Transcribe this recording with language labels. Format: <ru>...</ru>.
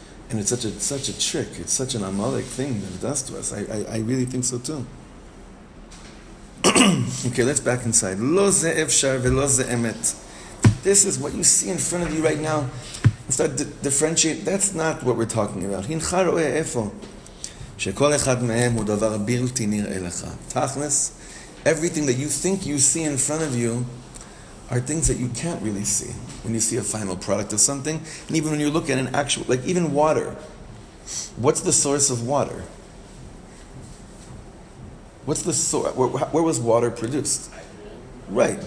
<en>And it's such a trick. It's such an amalek thing that it does to us. I really think so too. Okay, let's back inside.</en> <he>Lo ze efshar ve lo ze emet.</he> <en>This is what you see in front of you right now. Start to differentiate. That's not what we're talking about.</en> <he>Hincha ro'e efo. שכל אחד מהם הוא דבר בלתי נראה לך.</he> <en>תכלס, everything that you think you see in front of you are things that you can't really see when you see a final product of something. And even when you look at an actual, like even water. What's the source of water? What's the source? Where was water produced? Right.</en>